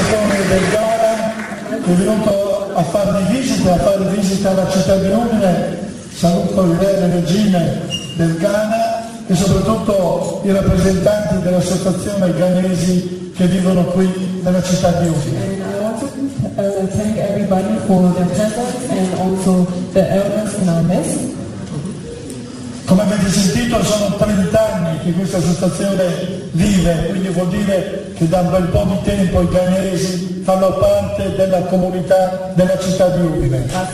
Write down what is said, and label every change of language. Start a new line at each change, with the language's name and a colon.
Italian: Venuto a fare visita alla città di Udine, saluto il re e regine del Ghana e soprattutto i rappresentanti dell'associazione ghanesi che vivono qui nella città di Udine.
English: And I want to thank everybody for their presence and also the elders in our midst.
Italian: Come avete sentito, sono 30 anni che questa associazione vive, quindi vuol dire che da un bel po' di tempo i ghanesi fanno parte della comunità della città di Udine.